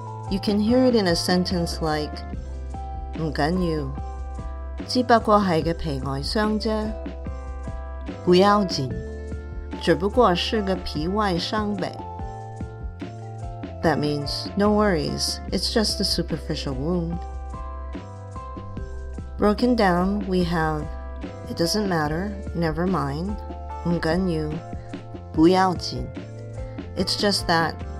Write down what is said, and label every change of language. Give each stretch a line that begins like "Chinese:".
English: You can hear it in a sentence like
Cantonese: 不要紧, 只不过是个皮外伤啫, 不要紧, 只不过是个皮外伤呗.
English: That means no worries, it's just a superficial wound. Broken down, we have it doesn't matter, never mind,
Cantonese: 不要紧, 不要紧.
English: It's just that